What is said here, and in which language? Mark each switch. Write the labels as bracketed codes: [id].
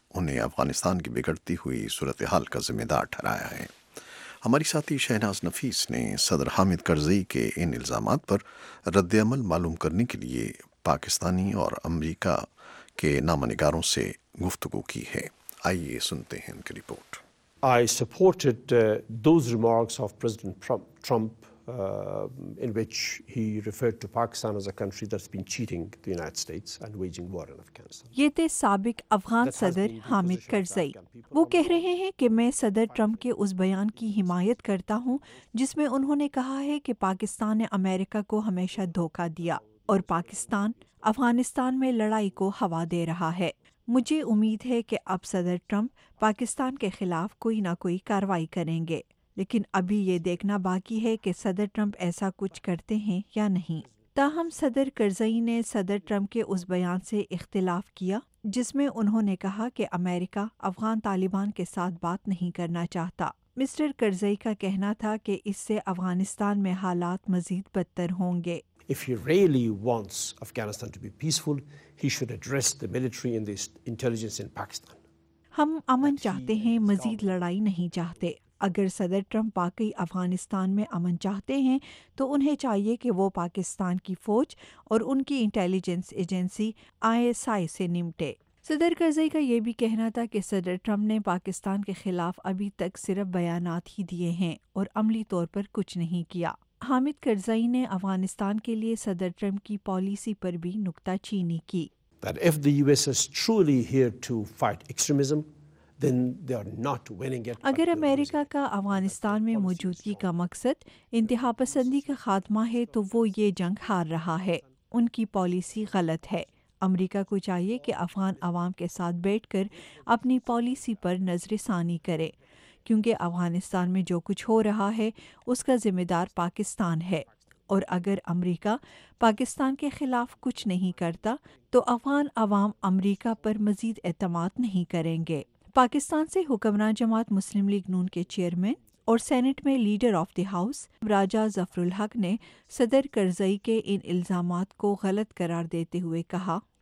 [ur] انہیں افغانستان کی بگڑتی ہوئی صورتحال کا ذمہ دار ٹھہرایا ہے۔ ہماری ساتھی شہناز نفیس نے صدر حامد کرزئی کے ان الزامات پر رد عمل معلوم کرنے کے لیے پاکستانی اور امریکہ کے نامہ نگاروں سے گفتگو کی ہے، آئیے سنتے ہیں ان کی report. [en] I supported those remarks of President Trump in which he referred to Pakistan as a country that's been cheating the United States and waging war in Afghanistan. [ur] یہ تھے سابق افغان صدر حامد کرزئی۔ وہ کہہ رہے ہیں کہ میں صدر ٹرمپ کے اس بیان کی حمایت کرتا ہوں جس میں انہوں نے کہا ہے کہ پاکستان نے امریکہ کو ہمیشہ دھوکہ دیا اور پاکستان افغانستان میں لڑائی کو ہوا دے رہا ہے۔ مجھے امید ہے کہ اب صدر ٹرمپ پاکستان کے خلاف کوئی نہ کوئی کارروائی کریں گے، لیکن ابھی یہ دیکھنا باقی ہے کہ صدر ٹرمپ ایسا کچھ کرتے ہیں یا نہیں۔ تاہم صدر کرزئی نے صدر ٹرمپ کے اس بیان سے اختلاف کیا جس میں انہوں نے کہا کہ امریکہ افغان طالبان کے ساتھ بات نہیں کرنا چاہتا۔ مسٹر کرزئی کا کہنا تھا کہ اس سے افغانستان میں حالات مزید بدتر ہوں گے۔ [en] If he really wants Afghanistan to be peaceful, he should address the military and the intelligence in Pakistan. [ur] ہم امن چاہتے ہیں، مزید لڑائی نہیں چاہتے۔ اگر صدر ٹرمپ واقعی افغانستان میں امن چاہتے ہیں تو انہیں چاہیے کہ وہ پاکستان کی فوج اور ان کی انٹیلیجنس ایجنسی ISI سے نمٹے۔ صدر کرزئی کا یہ بھی کہنا تھا کہ صدر ٹرمپ نے پاکستان کے خلاف ابھی تک صرف بیانات ہی دیے ہیں اور عملی طور پر کچھ نہیں کیا۔ حامد کرزئی نے افغانستان کے لیے صدر ٹرمپ کی پالیسی پر بھی نکتہ چینی کی۔ [en] That if the US is truly here to fight extremism, then they are not winning it. [ur] اگر امریکہ کا افغانستان میں موجودگی کا مقصد انتہا پسندی کا خاتمہ ہے تو وہ یہ جنگ ہار رہا ہے۔ ان کی پالیسی غلط ہے۔ امریکہ کو چاہیے کہ افغان عوام کے ساتھ بیٹھ کر اپنی پالیسی پر نظر ثانی کرے، کیونکہ افغانستان میں جو کچھ ہو رہا ہے اس کا ذمہ دار پاکستان ہے، اور اگر امریکہ پاکستان کے خلاف کچھ نہیں کرتا تو افغان عوام امریکہ پر مزید اعتماد نہیں کریں گے۔ پاکستان سے حکمران جماعت مسلم لیگ نون کے چیئرمین اور سینٹ میں لیڈر آف دی ہاؤس راجہ ظفر الحق نے صدر کرزئی کے ان الزامات کو غلط قرار دیتے ہوئے کہا،